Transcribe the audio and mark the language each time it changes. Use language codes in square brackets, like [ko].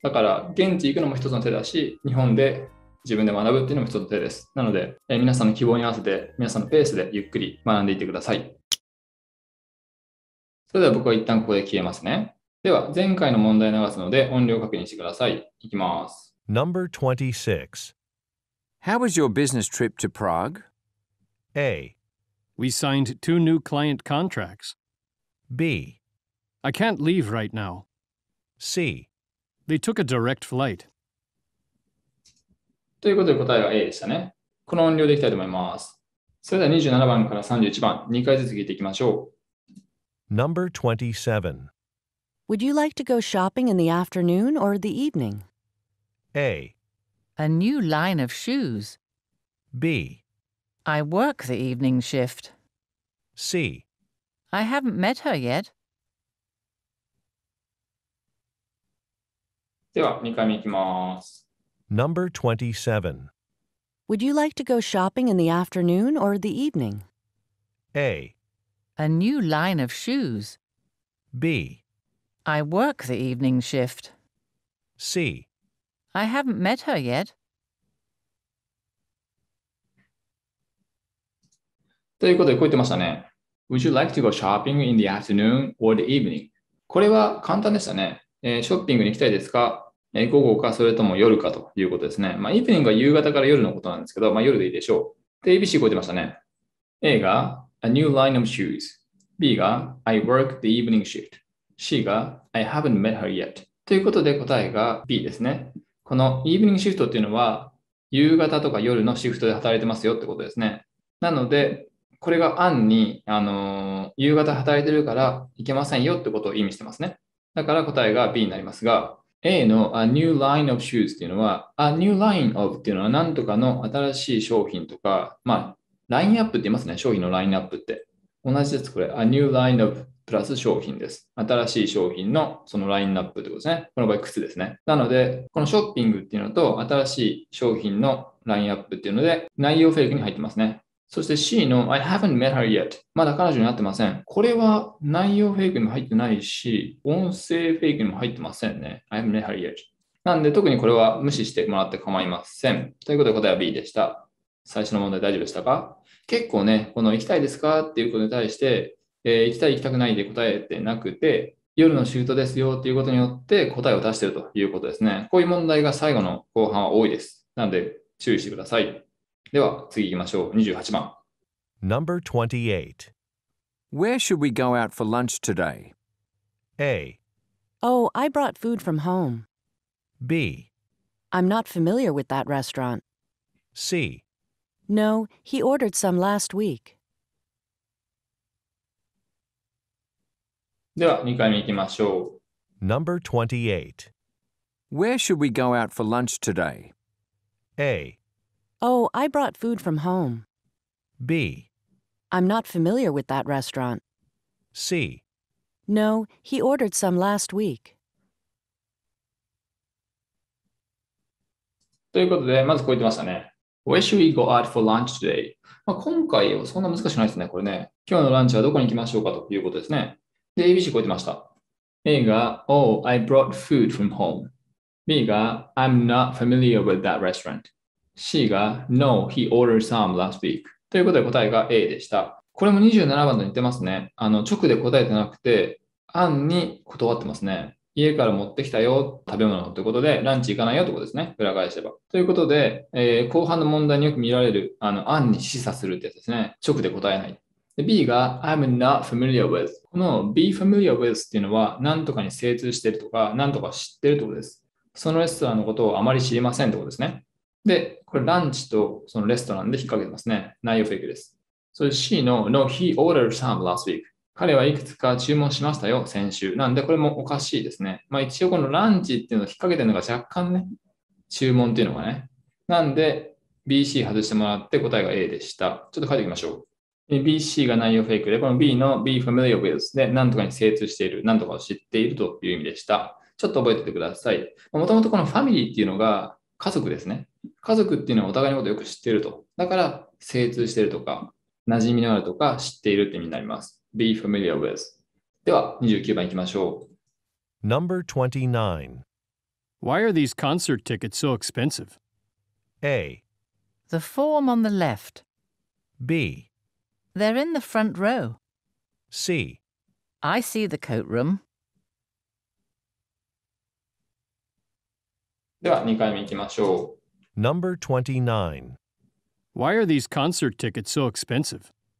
[ja] だから、現地行くのも一つの手だし、日本で自分で学ぶっていうのも一つの手です。なので、皆さんの希望に合わせて、皆さんのペースでゆっくり学んでいってください。それでは僕は一旦ここで消えますね。では前回の問題流すので音量確認してください。いきます。 [en] Number 26. How was your business trip to Prague? A. We signed two new client contracts. B. I can't leave right now. C. They took a direct flight. [ja] ということで答えは A でしたね。この音量でいきたいと思います。それでは27番から31番、2回ずつ聞いていきましょう。 [en] Number 27. Would you like to go shopping in the afternoon or the evening? A. A new line of shoes. B. I work the evening shift. C. I haven't met her yet. [ja] では、2回目いきます。 [en] Number 27. Would you like to go shopping in the afternoon or the evening? A. A new line of shoes. B. I work the evening shift. C. I haven't met her yet. [ja] ということで、こう言ってましたね。 [en] Would you like to go shopping in the afternoon or the evening? [ja] これは簡単でしたね。ショッピングに行きたいですか、午後かそれとも夜かということですね。まあ、evening が夕方から夜のことなんですけど、まあ、夜でいいでしょう。で、ABC 超えてましたね。A が [en] A new line of shoes。 B が I work the evening shift。C が I haven't met her yet。 [ja] ということで答えが B ですね。この evening shift っていうのは夕方とか夜のシフトで働いてますよってことですね。なので、これが案に、夕方働いてるから行けませんよってことを意味してますね。だから答えが B になりますが、A の [en] A new line of shoes [ja] っていうのは、 [en] A new line of [ja] っていうのは何とかの新しい商品とか、まあ、ラインアップって言いますね。商品のラインアップって。同じです、これ。 [en] A new line of [ja] プラス商品です。新しい商品のそのラインナップってことですね。この場合、靴ですね。なので、このショッピングっていうのと、新しい商品のラインアップっていうので、内容フェイクに入ってますね。 [en] そして C の I haven't met her yet。 [ja] まだ彼女に会ってません。これは内容フェイクにも入ってないし、音声フェイクにも入ってませんね。 [en] I haven't met her yet。 [ja] なんで、特にこれは無視してもらって構いません。ということで、答えは B でした。最初の問題大丈夫でしたか？結構ね、この行きたいですかっていうことに対して、行きたい行きたくないで答えてなくて、夜のシフトですよっていうことによって答えを出しているということですね。こういう問題が最後の後半は多いです。なので注意してください。では次行きましょう。28番。 [en] Number 28. Where should we go out for lunch today? A. Oh, I brought food from home. B. I'm not familiar with that restaurant. C. No, he ordered some last week. [ja] では2回目行きましょう。 [en] Number 28. Where should we go out for lunch today? A. Oh, I brought food from home. B. I'm not familiar with that restaurant. C. No, he ordered some last week. [ja] ということで、まずこう言ってましたね。 [en] Where should we go out for lunch today? [ja] まあ、今回はそんな難しくないですね、これね。今日のランチはどこに行きましょうかということですね。で、ABC 超えてました。 [en] A が、Oh, I brought food from home. B が、I'm not familiar with that restaurant. C が、No, he ordered some last week. [ja] ということで答えが A でした。これも27番と似てますね。直で答えてなくて、案に断ってますね。家から持ってきたよ、食べ物ってことで、ランチ行かないよってことですね。裏返せば。ということで、後半の問題によく見られる、案に示唆するってやつですね。直で答えない。B が [en] I'm not familiar with。 [ja] この [en] be familiar with [ja] っていうのは何とかに精通してるとか何とか知ってるってことです。そのレストランのことをあまり知りませんってことですね。で、これランチとそのレストランで引っ掛けてますね。内容フェイクです。 [en] それ C の No, he ordered some last week。 [ja] 彼はいくつか注文しましたよ先週。なんでこれもおかしいですね。まあ一応このランチっていうのを引っ掛けてるのが若干ね、注文っていうのがね。なんで BC 外してもらって答えが A でした。ちょっと書いていきましょう。BC が内容フェイクで、この B の [en] Be familiar with [ja] で何とかに精通している、何とかを知っているという意味でした。ちょっと覚えててください。もともとこのファミリーっていうのが家族ですね。家族っていうのはお互いのことをよく知っていると。だから精通しているとか、馴染みのあるとか知っているって意味になります。 [en] Be familiar with。 [ja] では29番いきましょう。 [en] Number 29. Why are these concert tickets so expensive? A. The form on the left. B. They're in the front row. C. I see the coat room. [ja] では2回目いきましょう。 [en] Number 29. Why are these concert tickets so expensive?